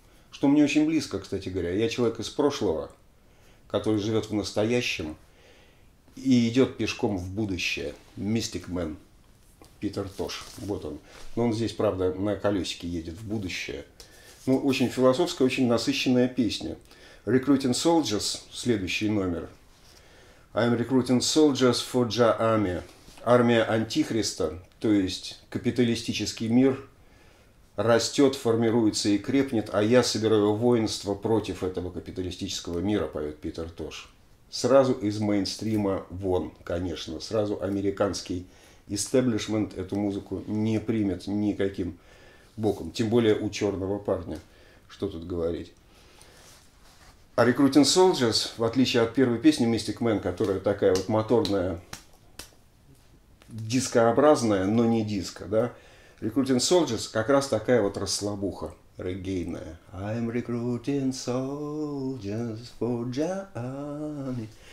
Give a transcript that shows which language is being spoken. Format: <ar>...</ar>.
<ru>Что мне очень близко, кстати говоря. Я человек из прошлого, который живет в настоящем и идет пешком в будущее. Mystic Man. Питер Тош. Вот он. Но он здесь, правда, на колесике едет в будущее. Ну, очень философская, очень насыщенная песня. Recruiting Soldiers. Следующий номер.</ru> <en>I'm recruiting soldiers for Jah Army.</en> <ru>Армия Антихриста, то есть капиталистический мир, растет, формируется и крепнет, а я собираю воинство против этого капиталистического мира, поет Питер Тош. Сразу из мейнстрима вон, конечно. Сразу американский истеблишмент эту музыку не примет никаким боком. Тем более у черного парня. Что тут говорить. А Recruiting Soldiers, в отличие от первой песни Mystic Man, которая такая вот моторная, дискообразная, но не диско, да, Recruiting Soldiers как раз такая вот расслабуха регейная.</ru> <en>I'm recruiting soldiers for Jah Army.</en>